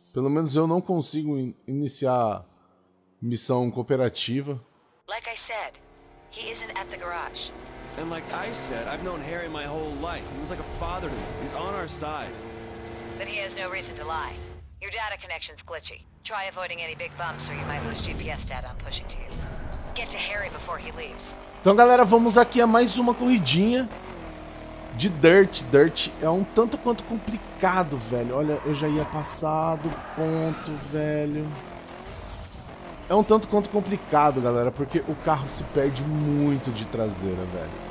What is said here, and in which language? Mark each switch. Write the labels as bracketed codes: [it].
[pt] Pelo menos eu não consigo iniciar missão cooperativa. Como eu disse, ele não está na garagem. E como eu disse, eu conheço o Harry minha vida toda. Ele é como um pai para mim, ele está no nosso lado. Mas ele não tem razão para mentir. [en] Your data connection's glitchy. Try avoiding any big bumps or you might lose GPS data I'm pushing to you. Get to Harry before he leaves. [pt] Então, galera, vamos aqui a mais uma corridinha de Dirt. Dirt é um tanto quanto complicado, velho. Olha, eu já ia passar do ponto, velho. É um tanto quanto complicado, galera, porque o carro se perde muito de traseira, velho.